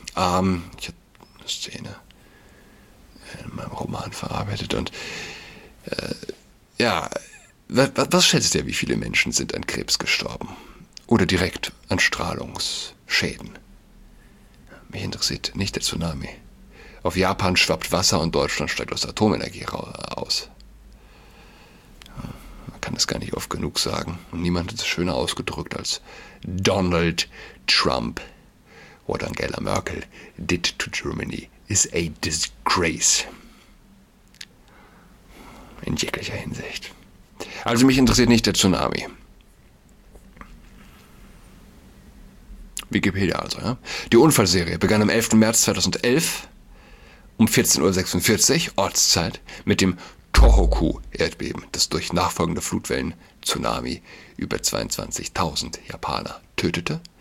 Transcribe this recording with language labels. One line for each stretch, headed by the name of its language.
German: Ich hatte eine Szene in meinem Roman verarbeitet und was schätzt ihr, wie viele Menschen sind an Krebs gestorben oder direkt an Strahlungsschäden? Mich interessiert nicht der Tsunami. Auf Japan schwappt Wasser und Deutschland steigt aus Atomenergie aus. Man kann das gar nicht oft genug sagen und niemand hat es schöner ausgedrückt als Donald Trump.
English: What Angela Merkel did to Germany is a disgrace.
German: In jeglicher Hinsicht. Also mich interessiert nicht der Tsunami. Wikipedia also, ja? Die Unfallserie begann am 11. März 2011 um 14.46 Uhr Ortszeit mit dem Tohoku-Erdbeben, das durch nachfolgende Flutwellen-Tsunami über 22.000 Japaner tötete.